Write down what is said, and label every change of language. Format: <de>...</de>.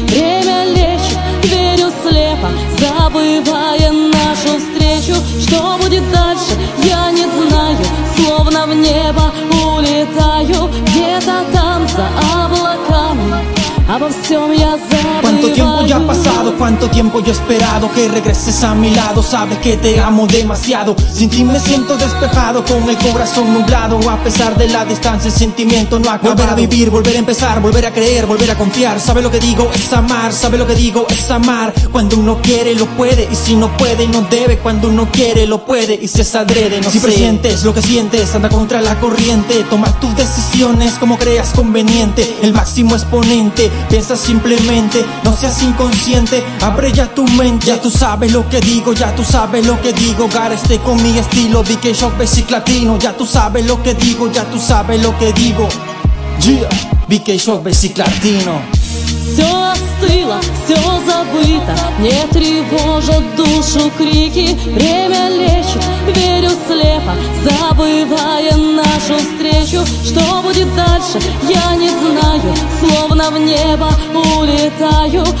<ru>Время лечит, верю слепо, забывая нашу встречу. Что будет дальше, я не знаю, словно в небо улетаю. Где-то там за облаками обо всем я забываю.</ru> <es>Cuánto tiempo ya ha pasado, cuánto tiempo yo he esperado que regreses a mi lado, sabes que te amo demasiado. Sin ti me siento despejado, con el corazón nublado. A pesar de la distancia, el sentimiento no ha acabado. Volver a vivir, volver a empezar, volver a creer, volver a confiar. Sabes lo que digo, es amar, sabes lo que digo, es amar. Cuando uno quiere, lo puede, y si no puede, no debe. Cuando uno quiere, lo puede, y si es adrede, no sé. Si presientes lo que sientes, anda contra la corriente. Toma tus decisiones como creas conveniente. El máximo exponente, piensa simplemente. No seas inconsciente, abre ya tu mente. Ya tú sabes lo que digo, ya tú sabes lo que digo.</es> <en>Gotta stay</en> <es>con mi estilo, BK Shock, Basic Latino. Ya tú sabes lo que digo, ya tú sabes lo que digo. Yeah, BK Shock, Basic Latino.</es> <ru>Все остыло, все забыто, не тревожат душу крики. Время лечит, верю слепо, забывая нашу встречу. Что будет дальше, я не знаю, словно в небо улетаю.</ru>